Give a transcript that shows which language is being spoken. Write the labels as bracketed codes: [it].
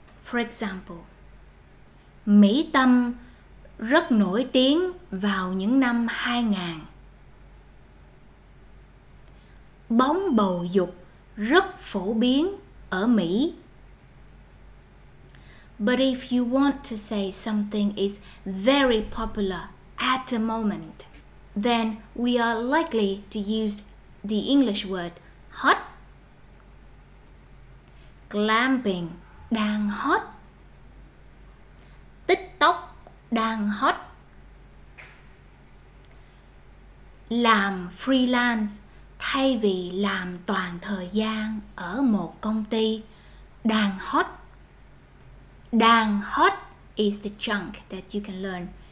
[en] For example, [vi] Mỹ Tâm rất nổi tiếng vào những năm 2000. Bóng bầu dục rất phổ biến ở Mỹ. [en] But if you want to say something is very popular at the moment, then we are likely to use the English word hot. [vi] Glamping đang hot. TikTok đang hot. Làm freelance thay vì làm toàn thời gian ở một công ty đang hot. Đang hot [en] is the chunk that you can learn.